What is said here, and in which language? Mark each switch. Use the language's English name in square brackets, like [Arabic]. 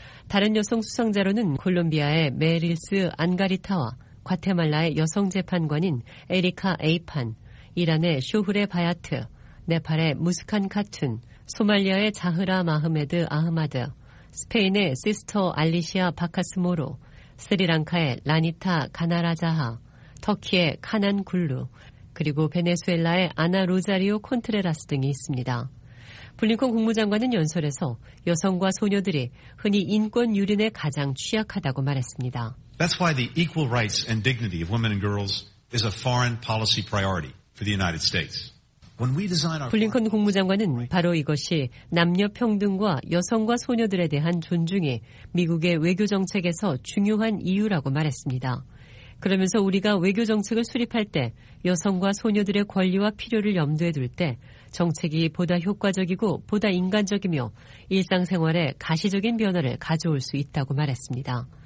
[Korean] 다른 여성 수상자로는 콜롬비아의 메릴스 안가리타와 과테말라의 여성 재판관인 에리카 에이판, 이란의 쇼후레 바야트, 네팔의 무스칸 카툰, 소말리아의 자흐라 마흐메드 아흐마드, 스페인의 시스터 알리시아 바카스모로, 스리랑카의 라니타 가나라자하, 터키의 카난 굴루, 그리고 베네수엘라의 아나 로자리오 콘트레라스 등이 있습니다. 블링컨 국무장관은 연설에서 여성과 소녀들이 흔히 인권 유린에 가장 취약하다고 말했습니다. [English] That's why the equal rights and dignity of women and girls is a foreign policy priority for the United States. [Korean] 블링컨 국무장관은 바로 이것이 남녀평등과 여성과 소녀들에 대한 존중이 미국의 외교정책에서 중요한 이유라고 말했습니다. 그러면서 우리가 외교정책을 수립할 때 여성과 소녀들의 권리와 필요를 염두에 둘 때 정책이 보다 효과적이고 보다 인간적이며 일상생활에 가시적인 변화를 가져올 수 있다고 말했습니다.